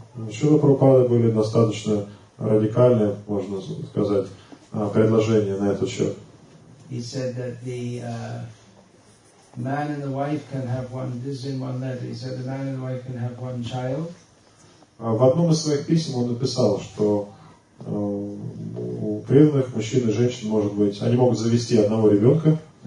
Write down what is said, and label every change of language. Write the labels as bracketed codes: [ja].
[ru] Srila Prabhupada были достаточно радикальные, можно сказать, предложения на этот счет. [en] He said that the man and the wife can have one, this is in one letter, he said the man and the wife can have one child. [ru] В одном из своих писем он написал, что у преданных мужчин и женщин может быть, они могут завести одного ребенка.